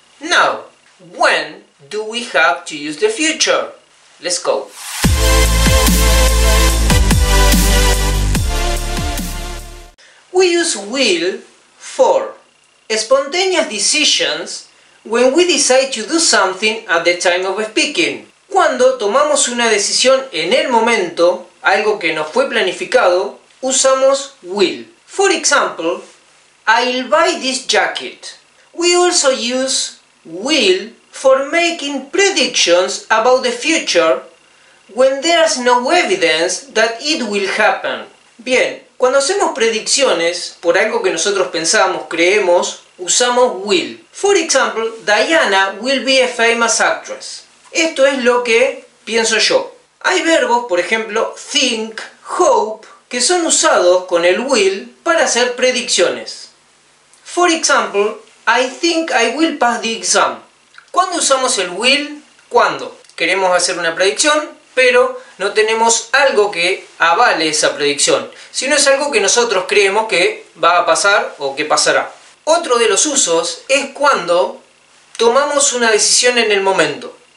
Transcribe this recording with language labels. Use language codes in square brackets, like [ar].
[en] Now, when do we have to use the future? Let's go. We use will for spontaneous decisions when we decide to do something at the time of speaking. [es] Cuando tomamos una decisión en el momento, algo que no fue planificado, usamos will. [en] For example, I'll buy this jacket. We also use will for making predictions about the future when there's no evidence that it will happen. [es] Bien, cuando hacemos predicciones por algo que nosotros pensamos, creemos, usamos will. [en] For example, Diana will be a famous actress. [es] Esto es lo que pienso yo. Hay verbos, por ejemplo, think, hope, que son usados con el will para hacer predicciones. [en] For example, I think I will pass the exam. [es] ¿Cuándo usamos el will? ¿Cuándo? Queremos hacer una predicción, pero no tenemos algo que avale esa predicción, sino es algo que nosotros creemos que va a pasar o que pasará. Otro de los usos es cuando tomamos una decisión en el momento.